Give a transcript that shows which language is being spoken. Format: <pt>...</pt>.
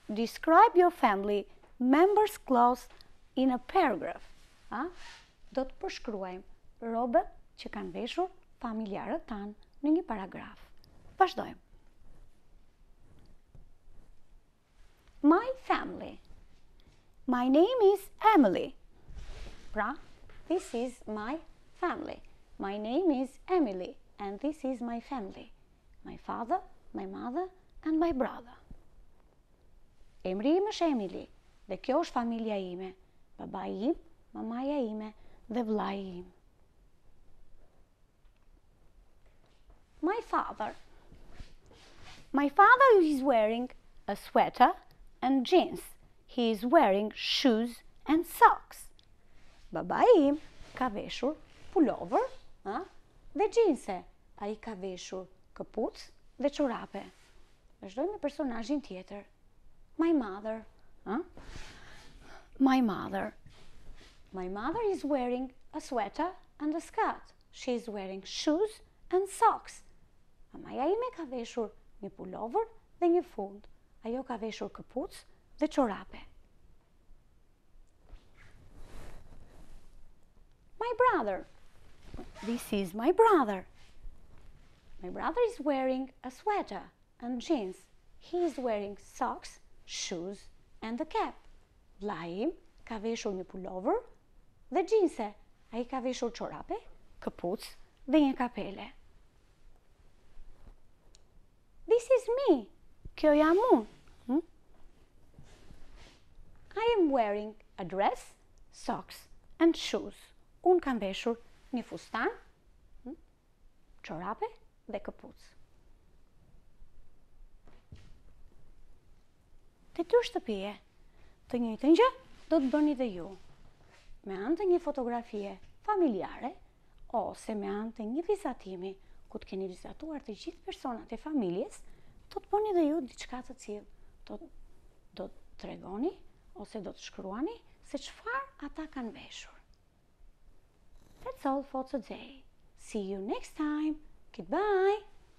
<en>Describe your family members' clothes in a paragraph.</en> <sq>Do të përshkruajmë rrobat që kanë veshur familjarët tanë në një paragraf. Vazhdojmë.</sq> <en>My family. My name is Emily. Pra, this is my family. My name is Emily, and this is my family. My father, my mother, and my brother.</en> <sq>Emri im është Emily, dhe kjo është familja ime. Babai im, mamaja ime, dhe vllai im.</sq> <en>My father. My father is wearing a sweater and jeans. He is wearing shoes and socks.</en> <sq>Babai im ka veshur pullover. Dhe gjinse, a i ka veshur këpuc dhe qurape. Vazhdojmë me personazhin tjetër.</sq> <en>My mother. My mother. My mother is wearing a sweater and a skirt. She is wearing shoes and socks.</en> <sq>Mamaja ime ka veshur një pullover dhe një fund. Ajo ka veshur këpuc dhe qurape.</sq> <en>My brother. This is my brother. My brother is wearing a sweater and jeans. He is wearing socks, shoes and a cap.</en> <sq>Vllai im ka veshur një pullover dhe jeanse. Ai ka veshur çorape, këpucë dhe një kapele.</sq> <en>This is me.</en> <sq>Kjo jam unë.</sq> <en>I am wearing a dress, socks and shoes.</en> <sq>Unë kam veshur një fustan, çorape dhe këpucë. Te dy shtëpije, të njëjtën gjë do të bëni dhe ju. Me anë të një fotografie familjare ose me anë të një vizatimi ku të keni vizatuar të gjithë personat e familjes, do të bëni dhe ju diçka të cilë do të tregoni ose do të shkruani se çfarë ata kanë veshur.</sq> <en>That's all for today. See you next time. Goodbye.</en>